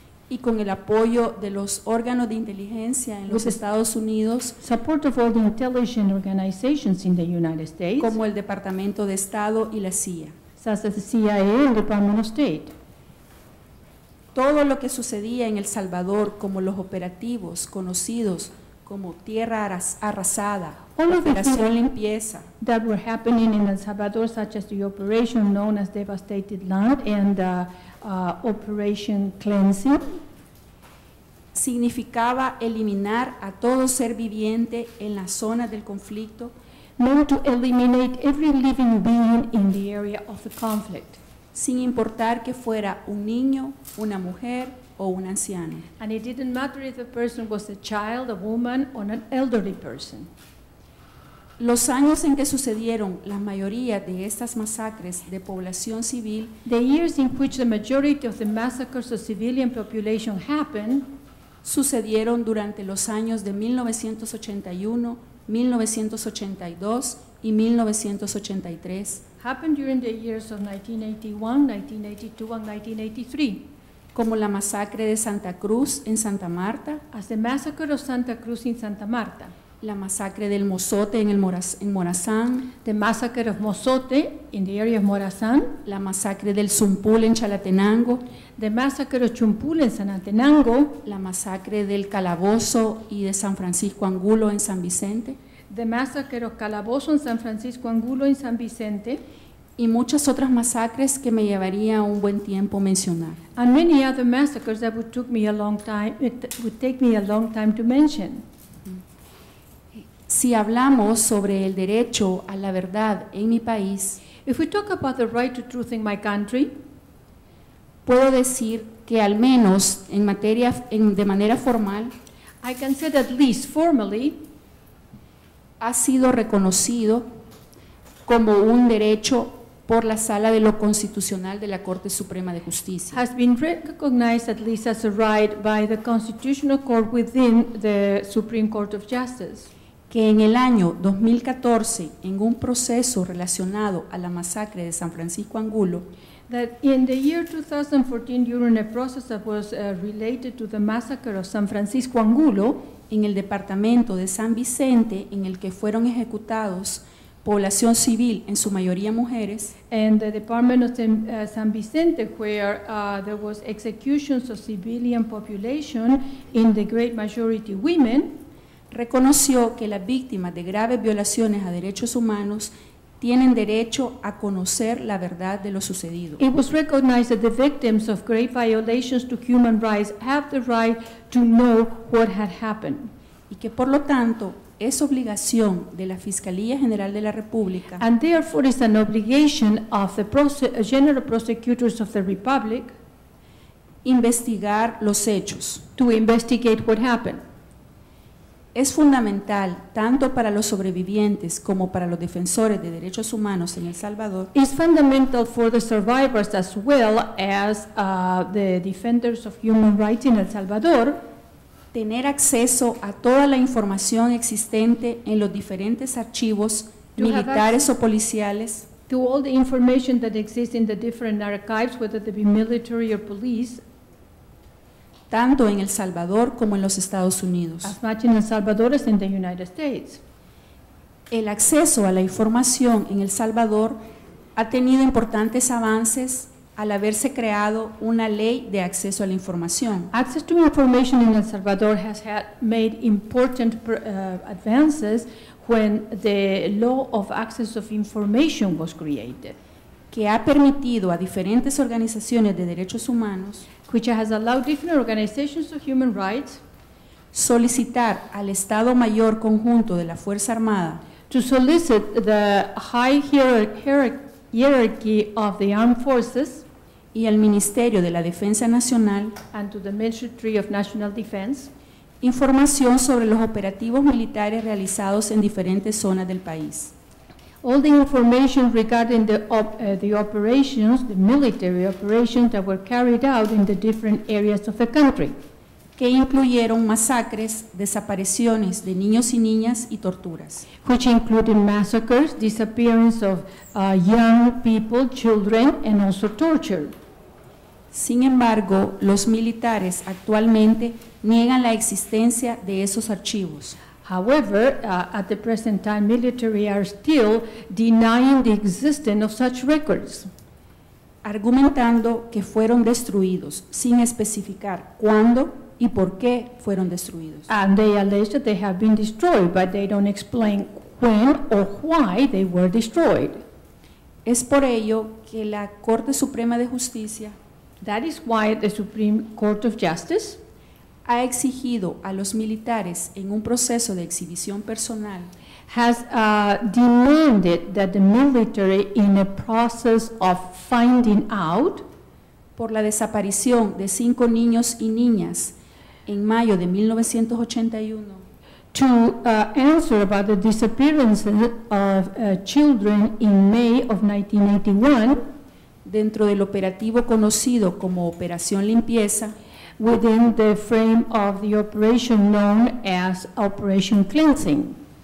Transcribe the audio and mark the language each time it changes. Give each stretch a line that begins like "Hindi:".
Spanish: Y con el apoyo de los órganos de inteligencia en los Estados Unidos.
English: Support of all the intelligence organizations in the United States.
Spanish: Como el Departamento de Estado y la CIA.
English: Such as the CIA and the Department of State.
Spanish: Todo lo que sucedía en El Salvador, como los operativos conocidos como tierra arrasada,
English: all of the things that were happening in El Salvador, such as the operation known as devastated land and operation cleansing,
Spanish: significaba eliminar a todo ser viviente en la zona del conflicto,
English: meant to eliminate every living being in the area of the conflict,
Spanish: sin importar que fuera un niño, una mujer o un anciano.
English: And it didn't matter if the person was a child, a woman, or an elderly person.
Spanish: Los años en que sucedieron la mayoría de estas masacres de población civil,
English: the years in which the majority of the massacres of civilian population happened,
Spanish: sucedieron durante los años de 1981, 1982 y 1983.
English: Happened during the years of 1981, 1982 and 1983.
Spanish: Como la masacre de Santa Cruz en Santa Marta,
English: as the massacre of Santa Cruz in Santa Marta,
Spanish: la masacre del Mozote en el Morazán,
English: the massacre of Mozote in the area of Morazán,
Spanish: la masacre del Zumpul en Chalatenango,
English: the massacre of Chumpul en Chalatenango,
Spanish: la masacre del Calabozo y de San Francisco Angulo en San Vicente,
English: the massacre of Calabozo en San Francisco Angulo en San Vicente,
Spanish: y muchas otras masacres que me llevaría un buen tiempo mencionar.
English: And many other massacres that would take me a long time to mention.
Spanish: Si hablamos sobre el derecho a la verdad en mi país,
English: if we talk about the right to truth in my country,
Spanish: puedo decir que al menos en materia, en, de manera formal,
English: I can say that at least formally,
Spanish: ha sido reconocido como un derecho por la Sala de lo Constitucional de la Corte Suprema de Justicia.
English: Has been recognized at least as a right by the Constitutional Court within the Supreme Court of Justice.
Spanish: Que en el año 2014, en un proceso relacionado a la masacre de San Francisco Angulo,
English: that in the year 2014, during a process that was related to the massacre of San Francisco Angulo,
Spanish: en el departamento de San Vicente, en el que fueron ejecutados población civil, en su mayoría mujeres,
English: in the department of San Vicente, where there was executions of civilian population, in the great majority women,
Spanish: reconoció que las víctimas de graves violaciones a derechos humanos tienen derecho a conocer la verdad de lo sucedido.
English: It was recognized that the victims of great violations to human rights have the right to know what had happened.
Spanish: Y que por lo tanto es obligación de la Fiscalía General de la República,
English: and therefore it's an obligation of the General Prosecutors of the Republic,
Spanish: investigar los hechos,
English: to investigate what happened.
Spanish: Es fundamental tanto para los sobrevivientes como para los defensores de derechos humanos en El Salvador.
English: It's fundamental for the survivors as well as the defenders of human rights in El Salvador.
Spanish: Tener acceso a toda la información existente en los diferentes archivos militares o policiales.
English: To all the information that exists in the different archives, whether they be military or police,
Spanish: tanto en El Salvador como en los Estados Unidos.
English: As much in El Salvador as in the United States.
Spanish: El acceso a la información en El Salvador ha tenido importantes avances al haberse creado una ley de acceso a la información.
English: Access to information in El Salvador has had made important advances when the law of access of information was created,
Spanish: que ha permitido a diferentes organizaciones de derechos humanos,
English: which has allowed different organizations of human rights,
Spanish: solicitar al Estado Mayor Conjunto de la Fuerza Armada,
English: to solicit the high hierarchy of the armed forces,
Spanish: y al Ministerio de la Defensa Nacional,
English: and to the Ministry of National Defense,
Spanish: información sobre los operativos militares realizados en diferentes zonas del país.
English: All the information regarding the operations, the military operations that were carried out in the different areas of the country,
Spanish: que incluyeron masacres, desapariciones de niños y niñas y torturas,
English: which included massacres, disappearance of young people, children, and also torture.
Spanish: Sin embargo, los militares actualmente niegan la existencia de esos archivos.
English: However, at the present time, military are still denying the existence of such records,
Spanish: argumentando que fueron destruidos, sin especificar cuándo, y por qué fueron destruidos.
English: And they allege that they have been destroyed, but they don't explain when or why they were destroyed.
Spanish: Es por ello que la Corte Suprema de Justicia,
English: that is why the Supreme Court of Justice,
Spanish: ha exigido a los militares en un proceso de exhibición personal,
English: has demanded that the military in a process of finding out,
Spanish: por la desaparición de cinco niños y niñas en mayo de 1981,
English: to answer about the disappearance of children in May of 1981,
Spanish: dentro del operativo conocido como Operación Limpieza,
English: within the frame of the operation known as Operation Cleansing,